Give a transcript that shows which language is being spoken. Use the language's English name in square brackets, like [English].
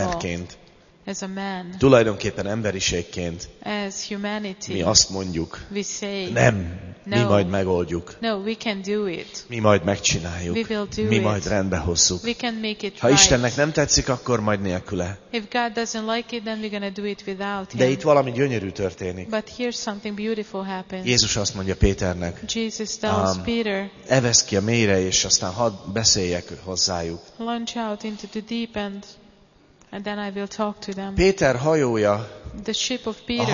[Hungarian] Emberként, [English] as a man, [Hungarian] tulajdonképpen emberiségként, [English] as humanity, [Hungarian] mi azt mondjuk, [English] we say, [Hungarian] nem, no, mi majd megoldjuk, [English] no, we can do it, [Hungarian] mi majd megcsináljuk, [English] we will do [Hungarian] mi [English] it, [Hungarian] majd rendbe hozzuk. [English] We can make it [Hungarian] ha [English] right. [Hungarian] Istennek nem tetszik, akkor majd nélküle. [English] If God doesn't like it, then we're gonna do it without him. [Hungarian] De itt valami gyönyörű történik. [English] But here's something beautiful happens. [Hungarian] Jézus azt mondja Péternek, [English] Jesus tells Peter, [Hungarian] evesz ki a mélyre, és aztán hadd beszéljek hozzájuk. [English] Launch out into the deep end. And then I will talk to them. [Hungarian] Péter hajója, [English] the ship of Peter,